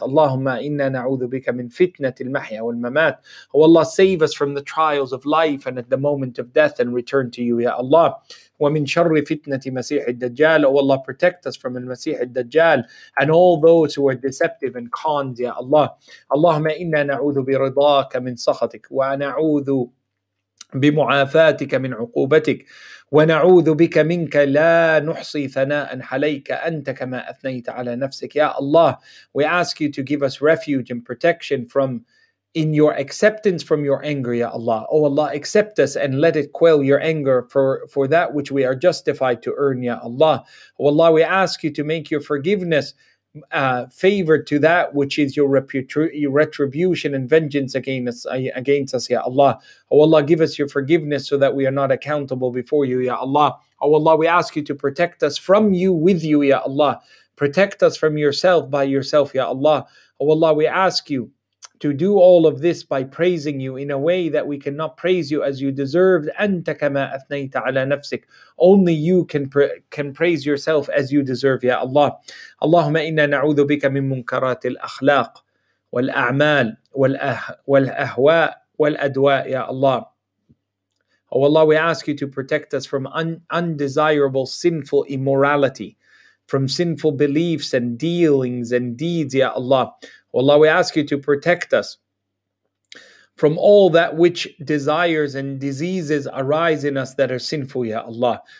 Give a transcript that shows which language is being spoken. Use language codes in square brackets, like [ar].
[ar] Allahumma inna na'udhu bika min fitnat al-mahya wal-mamat. [en] Oh Allah, save us from the trials of life and at the moment of death and return to you, Ya Allah. [ar] وَمِنْ شَرِّ فِتْنَةِ مَسِيحِ الدَّجَّالِ. [en] Oh Allah, protect us from المسيح الدَّجَّالِ and all those who are deceptive and cons, Ya Allah. [ar] اللهم إنا نعوذ برضاك من سخطك ونعوذ بمعافاتك من عقوبتك ونعوذ بك منك لا نحصي ثناء عليك أنت كما أثنيت على نفسك. [en] Ya Allah, we ask you to give us refuge and protection from in your acceptance from your anger, Ya Allah. Oh Allah, accept us and let it quell your anger for that which we are justified to earn, Ya Allah. Oh Allah, we ask you to make your forgiveness favored to that which is your retribution and vengeance against us, Ya Allah. Oh Allah, give us your forgiveness so that we are not accountable before you, Ya Allah. Oh Allah, we ask you to protect us from you, with you, Ya Allah. Protect us from yourself, by yourself, Ya Allah. Oh Allah, we ask you to do all of this by praising you in a way that we cannot praise you as you deserved. [ar] أنت كما أثنيت على نفسك. [en] Only you can praise yourself as you deserve, Ya Allah. [ar] اللهم إنا نعوذ بك من منكرات الأخلاق والأعمال والأهواء والأدواء, Ya Allah. [en] Oh Allah, we ask you to protect us from undesirable sinful immorality, from sinful beliefs and dealings and deeds, Ya Allah. Oh Allah, we ask you to protect us from all that which desires and diseases arise in us that are sinful, Ya Allah.